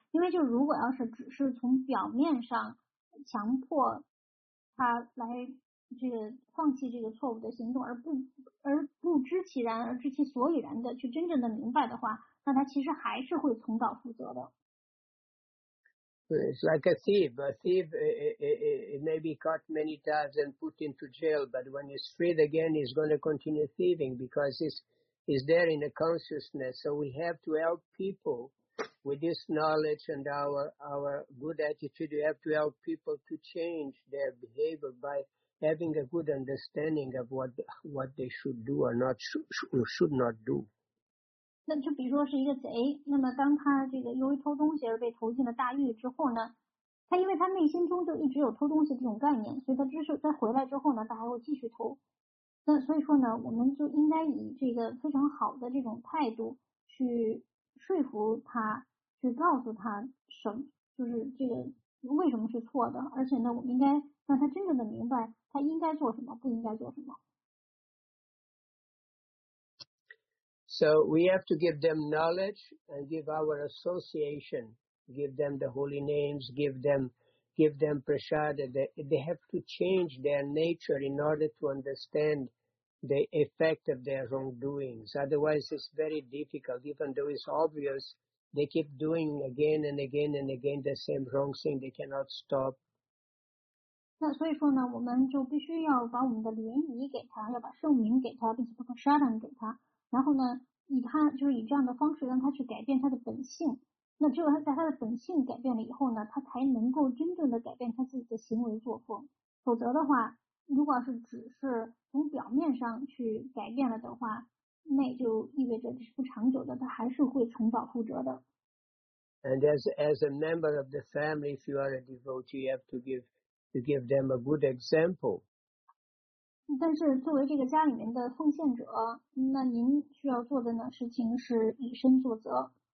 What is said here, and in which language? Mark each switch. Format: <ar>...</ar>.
<zh>因为就如果要是只是从表面上强迫他来这个放弃这个错误的行动，而不知其然而知其所以然的去真正的明白的话，那他其实还是会重蹈覆辙的。</zh> <en>It's like a thief. A thief may be caught many times and put into jail, but when he's freed again, he's going to continue thieving because he's there in the consciousness. So we have to help people with this knowledge and our good attitude. We have to help people to change their behavior by having a good understanding of what they should do or not should not do.</en> <zh>那就比如说是一个贼，那么当他这个由于偷东西而被投进了大狱之后呢，他因为他内心中就一直有偷东西这种概念，所以他只是在回来之后呢，他还会继续偷。那所以说呢，我们就应该以这个非常好的这种态度去说服他，去告诉他什么就是这个为什么是错的，而且呢，我们应该让他真正的明白他应该做什么，不应该做什么。</zh> <en>So we have to give them knowledge and give our association, give them the holy names, give them prasada. They have to change their nature in order to understand the effect of their wrongdoings. Otherwise, it's very difficult. Even though it's obvious, they keep doing again and again and again the same wrong thing. They cannot stop.</en> <zh>那所以说呢，我们就必须要把我们的联谊给他，要把圣名给他，并且把prasada给他。然后呢，以他就是以这样的方式让他去改变他的本性。那只有他在他的本性改变了以后呢，他才能够真正的改变他自己的行为作风。否则的话，如果是只是从表面上去改变了的话，那就意味着是不长久的，他还是会重蹈覆辙的。</zh> <en>And as a member of the family, if you are a devotee, you have to give them a good example.</en> <zh>但是作为这个家里面的奉献者，那您需要做的呢事情是以身作则。</zh>